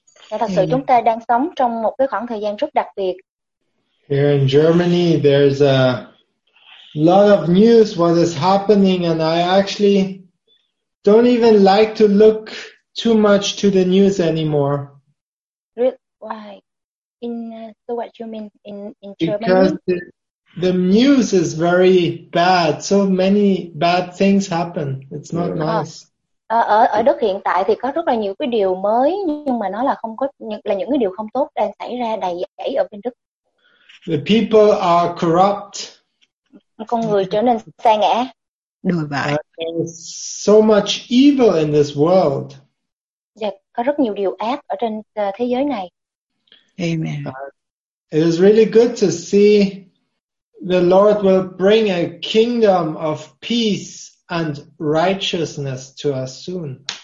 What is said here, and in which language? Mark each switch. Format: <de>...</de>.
<vi>Và thật sự chúng ta đang sống trong một cái khoảng thời gian rất đặc biệt.</vi> <en>Here in Germany, there's a lot of news what is happening, and I actually don't even like to look too much to the news anymore. Why? So what you mean in Germany? Because the news is very bad. So many bad things happen. It's not nice.</en> <vi>Ở Đức hiện tại thì có rất là nhiều cái điều mới, nhưng mà nó là không có là những cái điều không tốt đang xảy ra đầy dẫy ở bên Đức.</vi> <en>The people are corrupt.</en> <vi>Con người trở nên sa ngã. Đổi bại.</vi> <en>So much evil in this world.</en> <vi>Dạ, có rất nhiều điều ác ở trên thế giới này.</vi> <en>Amen. It is really good to see the Lord will bring a kingdom of peace and righteousness to us soon.</en>